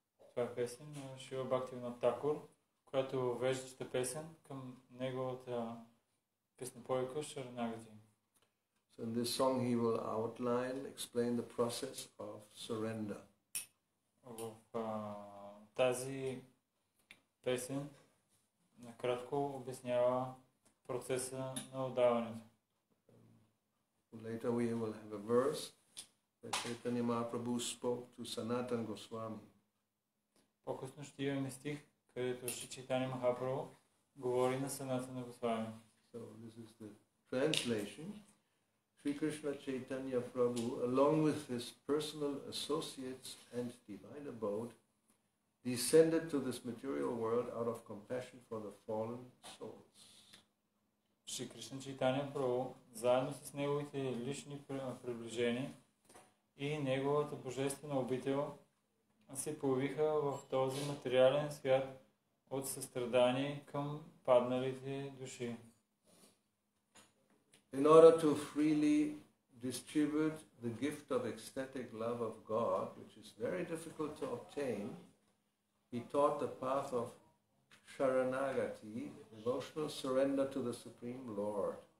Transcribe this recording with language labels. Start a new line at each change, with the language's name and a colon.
Bulgarian: Това е песен на Шива Бхактивинода Такур, която веждаща песен към неговата песнопойка Шаранагати.
English: So in this song he will outline, explain the process of surrender.
Bulgarian: В тази песен накратко обяснява процеса на отдаването.
English: Later we will have a verse that Chaitanya Mahaprabhu spoke to Sanatan Goswami.
Bulgarian: По-късно ще имаме стих, където Шри Чайтаня Махапрабху говори на Санатана Госвами.
English: So this is the translation. Шри-кришна-чайтаня Прабху, along with his personal associates and divine abode, descended to this material world out of compassion for the fallen souls.
Bulgarian: Шри-кришна-чайтаня Прабху, заедно с неговите лични приближени и неговата божествена обител, се появиха в този материален свят от състрадание към падналите души.
English: In order to freely distribute the gift of ecstatic love of God, which is very difficult to obtain, he taught the path of Sharanagati, emotional surrender to the Supreme Lord.